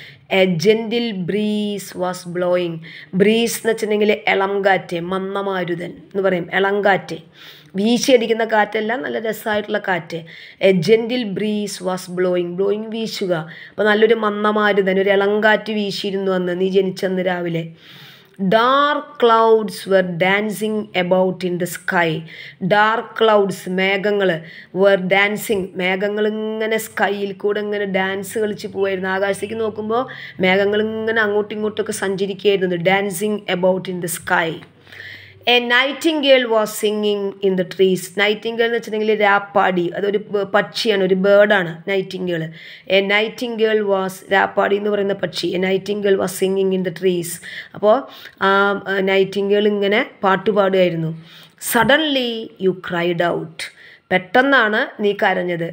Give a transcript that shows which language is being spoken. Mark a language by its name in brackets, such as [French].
[English] A gentle breeze was blowing. [Malayalam] Breeze എന്ന് വെച്ചിട്ടുണ്ടെങ്കിൽ ഇളങ്കാറ്റ്, മന്ദമാരുതൻ എന്ന് പറയും. ഇളങ്കാറ്റ് വീശിയടിക്കുന്ന കാറ്റെല്ലാം നല്ല രസമായിട്ടുള്ള കാറ്റ്. [English] a gentle breeze was blowing, blowing [Malayalam] വീശുക. അപ്പോൾ നല്ലൊരു മന്ദമാരുതൻ, ഒരു ഇളങ്കാറ്റ് വീശിയിരുന്നു അന്ന് നീ ജനിച്ചന്ന് രാവിലെ. [English] Dark clouds were dancing about in the sky. Dark clouds, [Malayalam] മേഘങ്ങൾ, [English] were dancing, [Malayalam] മേഘങ്ങൾ ഇങ്ങനെ സ്കൈയിൽ കൂടെ ഇങ്ങനെ ഡാൻസ് കളിച്ച് പോവായിരുന്നു. ആകാശത്തേക്ക് നോക്കുമ്പോൾ മേഘങ്ങൾ ഇങ്ങനെ അങ്ങോട്ടും ഇങ്ങോട്ടൊക്കെ സഞ്ചരിക്കുകയായിരുന്നു. [English] Dancing about in the sky. A nightingale was singing in the trees. [Malayalam] Nightingale എന്ന് വെച്ചിട്ടുണ്ടെങ്കിൽ രാപ്പാടി, അതൊരു പക്ഷിയാണ്, ഒരു ബേർഡാണ് നൈറ്റിംഗേൾ. [English] a nightingale was, [Malayalam] രാപ്പാടി എന്ന് പറയുന്ന പക്ഷി. [English] A nightingale was singing in the trees. [Malayalam] അപ്പോൾ ആ നൈറ്റിംഗേൾ ഇങ്ങനെ പാട്ടുപാടുമായിരുന്നു. [English] suddenly you cried out, [Malayalam] പെട്ടെന്നാണ് നീ കരഞ്ഞത്.